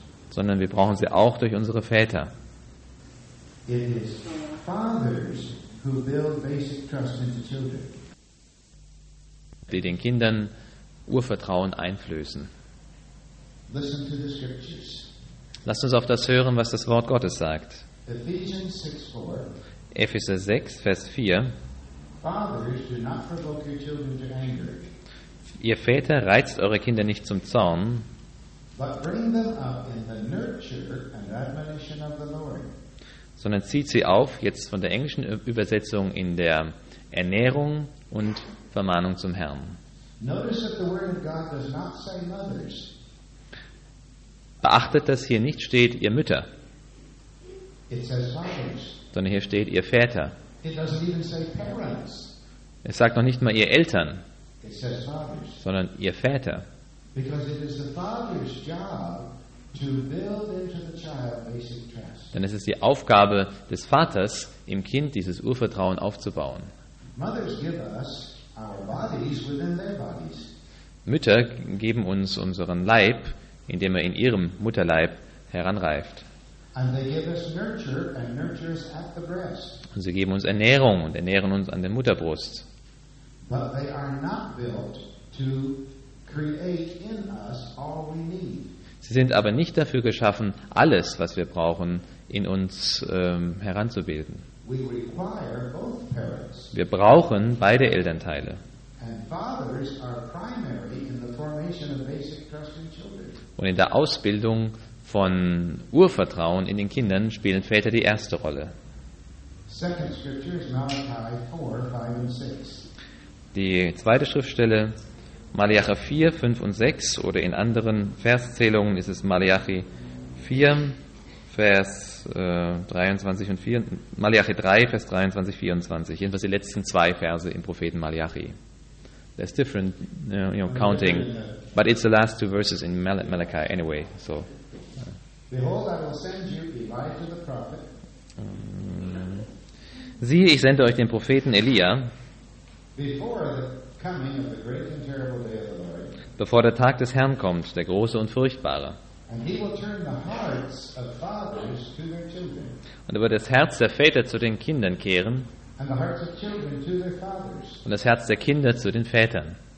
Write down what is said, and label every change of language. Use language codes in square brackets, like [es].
[de] Sondern wir brauchen sie auch durch unsere Väter. [en] It is fathers who build basic trust into children. [de] Die den Kindern Urvertrauen einflößen. [en] Listen to the scriptures. [de] Lasst uns auf das hören, was das Wort Gottes sagt. [en] Ephesians 6:4. [de] Epheser 6, Vers 4. [en] Fathers, do not provoke your children to anger. [de] Ihr Väter, reizt eure Kinder nicht zum Zorn, [en] but bring them up in the nurture and admonition of the Lord. [de] Sondern zieht sie auf, jetzt von der englischen Übersetzung, in der Ernährung und Vermahnung zum Herrn. [en] Notice that the word of God does not say mothers. [de] Beachtet, dass hier nicht steht, ihr Mütter. [en] It says fathers. [de] Sondern hier steht, ihr Väter. [en] It doesn't even say parents. [de] Es sagt noch nicht mal, ihr Eltern. [en] It says fathers. [de] Sondern ihr Väter. [en] Because it is the father's job to build into the child basic trust. [de] Denn es ist die Aufgabe des Vaters, im Kind dieses Urvertrauen aufzubauen. [en] Mothers give us our bodies within their bodies. [de] Mütter geben uns unseren Leib, indem er in ihrem Mutterleib heranreift. [en] And they give us nurture and nurtures at the breast. [de] Und sie geben uns Ernährung und ernähren uns an der Mutterbrust. [en] But they are not built to create in us all we need. [de] Sie sind aber nicht dafür geschaffen, alles, was wir brauchen, in uns heranzubilden. [en] We require both parents. [de] Wir brauchen beide Elternteile. [en] And fathers are primary in the formation of basic trust in children. [de] Und in der Ausbildung von Urvertrauen in den Kindern spielen Väter die erste Rolle. [en] Second scripture is Malachi 4, 5 and 6. [de] Die zweite Schriftstelle, Malachi 4, 5 und 6, oder in anderen Verszählungen ist es Malachi 4, Vers 23 und 4, Malachi 3, Vers 23, 24. Jedenfalls die letzten zwei Verse im Propheten Malachi. [en] That's different, counting. But it's the last two verses in Malachi anyway. So. Behold, I will send you Elijah the prophet. [de] Siehe, ich sende euch den Propheten Elia. [en] Before the coming of the great and terrible day of the Lord. [de] Bevor der Tag des Herrn kommt, der große und furchtbare. [en] And he will turn the hearts of fathers to their children. [de] Und er wird das Herz der Väter zu den Kindern kehren. [en] And the hearts of children to their fathers. [de] Und das Herz der Kinder zu den Vätern.